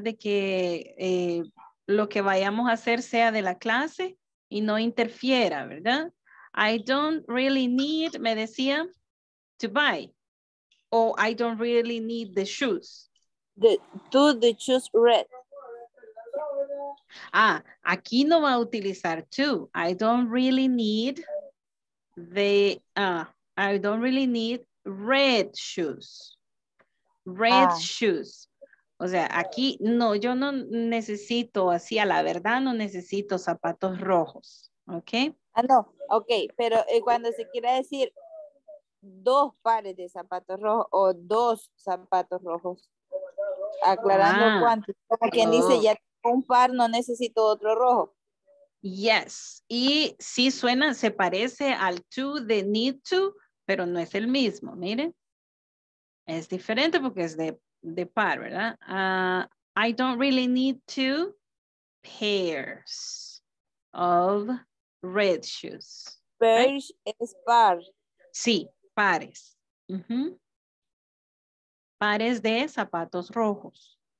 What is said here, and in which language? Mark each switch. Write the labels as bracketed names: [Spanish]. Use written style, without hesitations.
[Spanish] De que lo que vayamos a hacer sea de la clase y no interfiera, ¿verdad? [English] I don't really need, [Spanish] me decía, [English] to buy. O I don't really need the shoes. The shoes red. [Spanish] Ah, aquí no va a utilizar to. [English] I don't really need red shoes. Red shoes. [Spanish] O sea, aquí no, yo no necesito, así a la verdad, no necesito zapatos rojos, ¿ok? Ah, no, ok, pero cuando se quiere decir dos pares de zapatos rojos o dos zapatos rojos, aclarando cuántos, como quien dice, ya un par, no necesito otro rojo. Yes, y sí suena, se parece al to de need to, pero no es el mismo, miren. Es diferente porque es de par, ¿verdad? [English] I don't really need two pairs of red shoes. [Spanish] Pairs es par. Sí, pares. Uh-huh. Pares de zapatos rojos.